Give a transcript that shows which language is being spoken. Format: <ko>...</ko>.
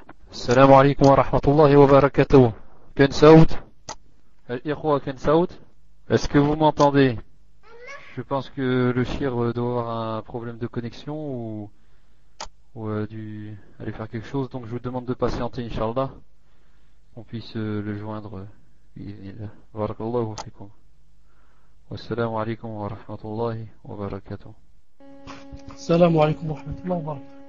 <ar>السلام عليكم ورحمة الله وبركاته. كان صوت الإخوة كان صوت.</ar> <fr>Est-ce que vous m'entendez? Je pense que le chir doit avoir un problème de connexion ou dû aller faire quelque chose, donc je vous demande de patienter inshallah qu'on puisse le joindre.</fr> <ar>Barakallahu fikoum. السلام عليكم ورحمة الله وبركاته. السلام عليكم ورحمة الله وبركاته.</ar>